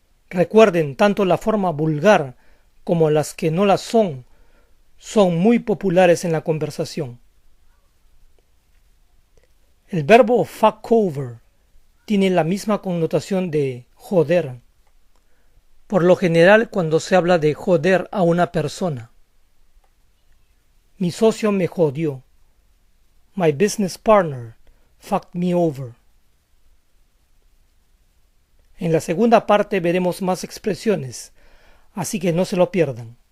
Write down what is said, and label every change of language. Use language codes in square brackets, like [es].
[es] Recuerden, tanto la forma vulgar como las que no la son, son muy populares en la conversación. El verbo fuck over tiene la misma connotación de joder. Por lo general, cuando se habla de joder a una persona. Mi socio me jodió. [en] My business partner fucked me over. [es] En la segunda parte veremos más expresiones, así que no se lo pierdan.